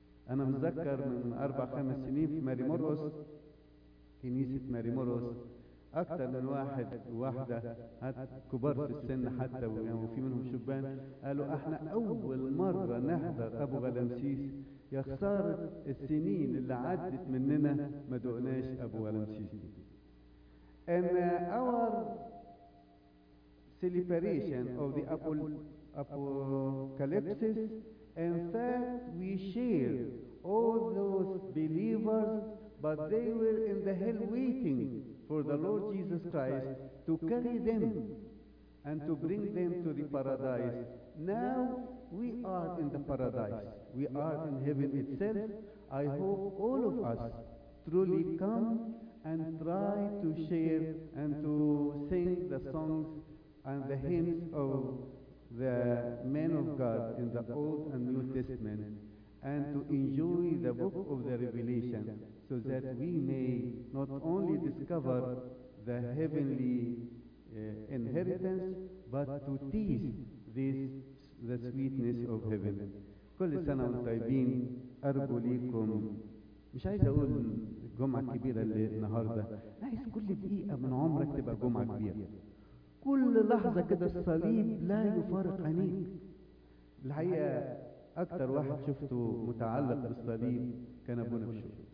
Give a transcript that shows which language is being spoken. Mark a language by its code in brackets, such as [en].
[ar] انا متذكر من 4-5 سنين في ماري مرقس، كنيسه ماري مرقس اكثر من واحد وواحده كبار في السن حتى وفي منهم شبان قالوا احنا اول مره نحضر ابو غلامسيس، يا خساره السنين اللي عدت مننا ما دقناش ابو غلامسيس. [en] In our celebration of the apocalypse, in fact we share all those believers, but they were in the hell waiting for the Lord Jesus Christ to carry them and to bring them to the paradise. Now we are in the paradise, we are in heaven itself. I hope all of us truly come and try to share and to sing the songs and the hymns of the men of God in the Old and New Testament, and to enjoy the book of the Revelation, so that we may not only discover the heavenly inheritance, but to taste the sweetness of heaven. [ar] كل سنة وانتم طيبين. أرجو ليكم، مش عايز أقول جمعة كبيرة النهاردة، عايز كل دقيقة من عمرك تبقى جمعة كبيرة. كل لحظة كده الصليب لا يفارق عينيك. الحقيقة أكتر واحد شفته متعلق بالصليب كان أبونا بشوف.